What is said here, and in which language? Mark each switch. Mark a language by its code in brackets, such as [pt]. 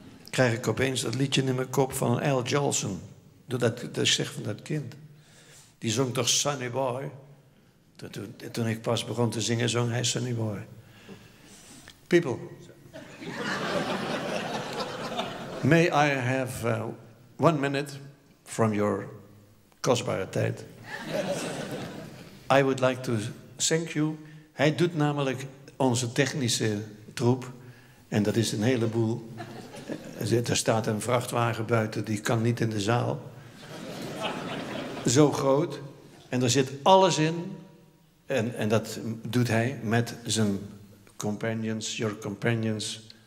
[nl] Krijg ik opeens dat liedje in mijn kop van Al Jolson. Doordat ik dat zeg van dat kind. Die zong toch Sunny Boy? Toen ik pas begon te zingen, zong hij Sunny Boy. [en] People. May I have 1 minute from your [nl] kostbare tijd. [en] I would like to thank you. [nl] Hij doet namelijk onze technische troep. En dat is een heleboel. Er staat een vrachtwagen buiten, die kan niet in de zaal. Zo groot. En er zit alles in. En dat doet hij met zijn companions, [en] your companions.